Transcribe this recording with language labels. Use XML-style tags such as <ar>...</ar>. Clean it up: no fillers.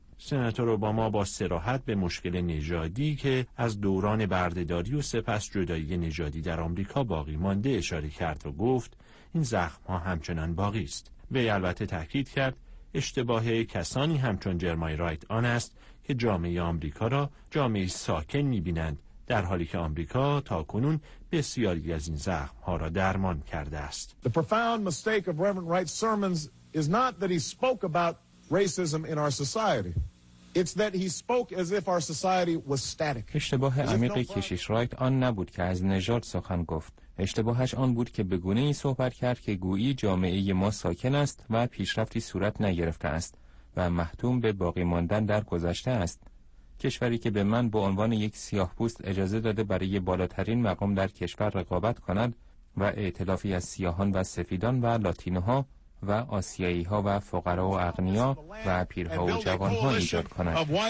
<fa>سناتور اوباما با صراحت به مشکل نژادی که از دوران بردهداری و سپس جدایی نژادی در آمریکا باقی مانده اشاره کرد و گفت این زخم ها همچنان باقی است. وی البته تاکید کرد اشتباه کسانی همچون جرمای رایت آن است که جامعه آمریکا را جامعه ساکن می‌بینند، در حالی که آمریکا تا کنون بسیاری از این زخم ها را درمان کرده است.</fa> <en>The profound mistake of Reverend Wright's sermons is not that he spoke about racism in our society. It's that he spoke as if our society was static.</en> <fa>اشتباه عمیق کشیش رایت آن نبود که از نژاد سخن گفت. اشتباهش آن بود که به گونه ای صحبت کرد که گویی جامعه ما ساکن است و پیشرفتی صورت نگرفته است و محتوم به باقی ماندن در گذشته است. کشوری که به من به عنوان یک سیاه‌پوست اجازه داده برای بالاترین مقام در کشور رقابت کند و ائتلافی از سیاهان و سفیدان و لاتینوها و آسیایی‌ها و فقرا و اغنیا و پیرها و جوان‌ها ایجاد کند.</fa>